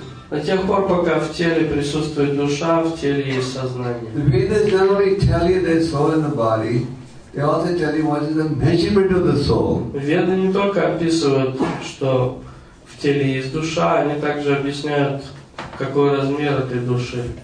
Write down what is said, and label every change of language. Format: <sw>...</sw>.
<ru>До тех пор, пока в теле присутствует душа, в теле есть сознание.</ru> <en>The Vedas not only tell you there's soul in the body, they also tell you what is the measurement of the soul.</en> <ru>Веды не только описывают, что в теле есть душа, они также объясняют, какой размер этой души.</ru>